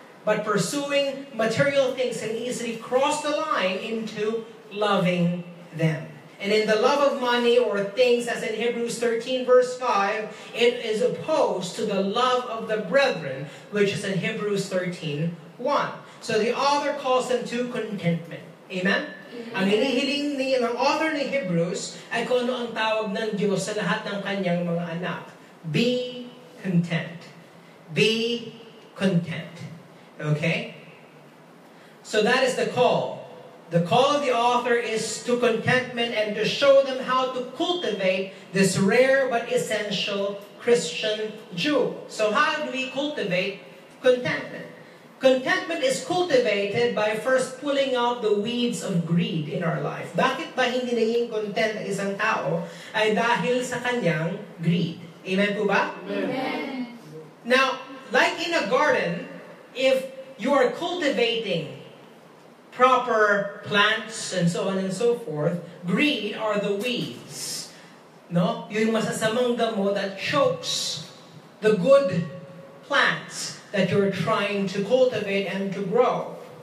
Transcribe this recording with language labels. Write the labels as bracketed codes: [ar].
[en] But pursuing material things can easily cross the line into loving them. And in the love of money or things, as in Hebrews 13 verse 5, it is opposed to the love of the brethren, which is in Hebrews 13:1. So the author calls them to contentment. Amen? [tl] Ang hinihiling ni ng author ni Hebrews ay kung ano ang tawag ng Diyos sa lahat ng kanyang mga anak. [en] Be content. Be content. Okay? So that is the call. The call of the author is to contentment and to show them how to cultivate this rare but essential Christian Jew. So how do we cultivate contentment? Contentment is cultivated by first pulling out the weeds of greed in our life. [tl] Bakit ba hindi naging content ang isang tao ay dahil sa kanyang greed? Amen po ba? [en] Amen. Now, like in a garden, if you are cultivating proper plants and so on and so forth, greed are the weeds. No? Yung masasamang gamo that chokes the good plants that you're trying to cultivate and to grow.